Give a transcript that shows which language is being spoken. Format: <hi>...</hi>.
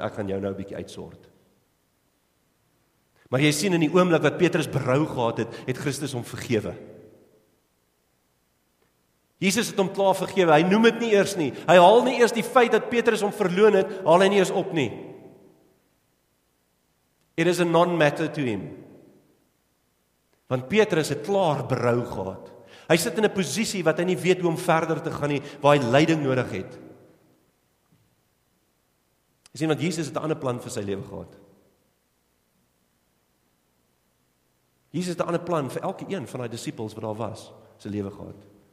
<af>Ek gaan jou nou 'n bietjie uitsort. Maar jy sien in die oomblik wat Petrus berou gehad het, het Christus hom vergewe. Jesus het hom klaar vergewe. Hy noem dit nie eers nie. Hy haal nie eers die feit dat Petrus hom verloon het, haal hy nie eens op nie.</af> <en>It is a non-matter to him.</en> <af>Want Petrus het klaar berou gehad. Hy sit in 'n posisie wat hy nie weet hoe om verder te gaan nie, waar hy leiding nodig het. Hy sien, want Jesus het 'n ander plan vir sy lewe gehad. Jesus het 'n ander plan vir elke een van die disippels wat daar was, sy lewe gehad.</af>